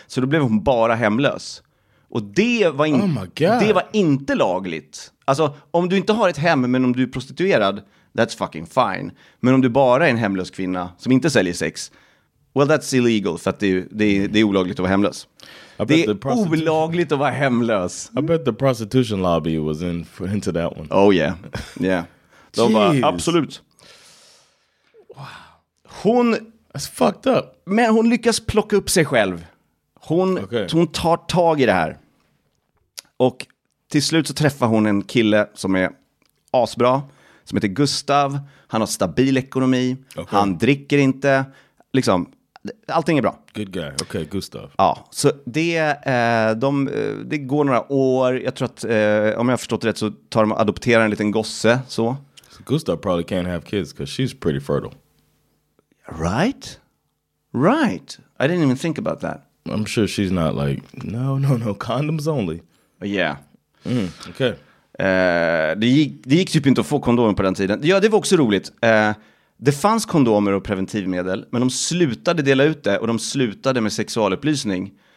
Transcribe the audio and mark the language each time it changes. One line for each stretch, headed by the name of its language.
Swedish: Så då blev hon bara hemlös. Och det var, det var inte lagligt. Alltså, om du inte har ett hem men om du är prostituerad,
English: that's fucking fine.
Swedish: Men om du bara är en hemlös kvinna som inte säljer sex...
English: Well, that's illegal,
Swedish: för att det är olagligt att vara hemlös. Det är olagligt att vara hemlös.
English: I bet the prostitution lobby was into that one. Oh yeah, yeah.
Swedish: De var, absolut.
English: Wow.
Swedish: Hon...
English: That's fucked up.
Swedish: Men hon lyckas plocka upp sig själv. Hon tar tag i det här. Och till slut så träffar hon en kille som är asbra. Som heter Gustav. Han har stabil ekonomi. Okay. Han dricker inte... Liksom, allting är bra.
English: Good guy, okej, okay, Gustav.
Swedish: Ja, så det går några år. Jag tror att, om jag har förstått rätt, så tar de och adopterar en liten gosse, så.
English: So Gustav probably can't have kids, because she's pretty fertile. Right. I didn't even think about that. I'm sure she's not like, no, condoms only. Yeah. Mm, okay.
Swedish: Det gick typ inte att få kondomen på den tiden. Ja, det var också roligt. Det fanns kondomer och preventivmedel, men de slutade dela ut det och de slutade med sexualupplysning.